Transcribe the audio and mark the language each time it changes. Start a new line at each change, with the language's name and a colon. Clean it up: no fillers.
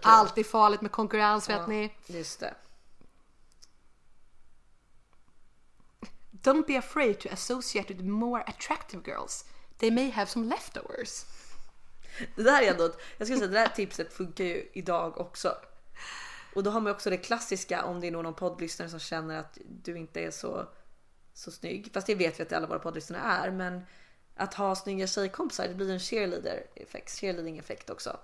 Swedish: Allt är farligt med konkurrens, vet ni. Just det.
English: Don't be afraid to associate with more attractive girls. They may have some leftovers.
Swedish: Det där är ändå ett, jag skulle säga, det där tipset funkar ju idag också. Och då har man också det klassiska, om det är någon poddlyssnare som känner att du inte är så snygg. Fast det vet vi att alla våra poddlyssnare är, men att ha snygga tjejkompisar, det blir en cheerleading-effekt också.